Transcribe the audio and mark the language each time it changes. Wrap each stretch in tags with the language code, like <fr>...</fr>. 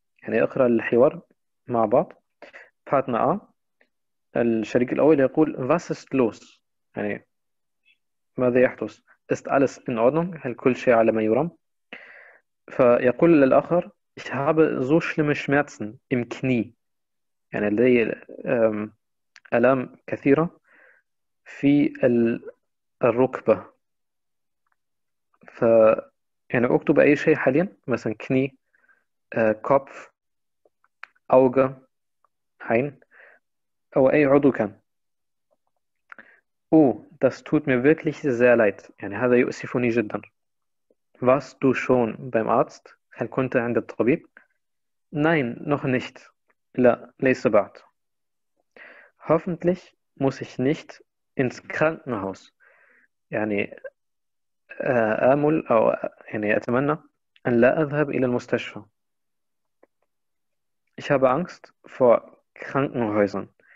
<ar>يعني اقرأ الحوار مع بعض.</ar> <de>Partner A,</de> <ar>الشريك الأول يقول</ar> <de>was ist los؟</de> <ar>يعني ماذا يحدث؟</ar> <de>ist alles in Ordnung؟</de> <ar>هل كل شيء على ما يرام؟ فيقول للآخر</ar> <de>ich habe so schlimme Schmerzen im Knie.</de> <ar>يعني لدي آلام كثيرة في الركبة. ف يعني اكتب أي شيء حاليا, مثلا كني, كوبف, أوجه, عين, أو أي عضو كان.</ar> <de>أو das tut mir wirklich sehr leid,</de> <ar>يعني هذا يؤسفني جدا.</ar> <de>Warst du schon beim Arzt؟</de> <ar>هل كنت عند الطبيب؟</ar> <de>Nein, noch nicht.</de> <ar>لا, ليس بعد.</ar> <de>Hoffentlich muss ich nicht ins Krankenhaus.</de> <ar>يعني آمل أو يعني أتمنى أن لا أذهب إلى المستشفى.</ar> <de>Ich habe Angst vor Krankenhäusern.</de>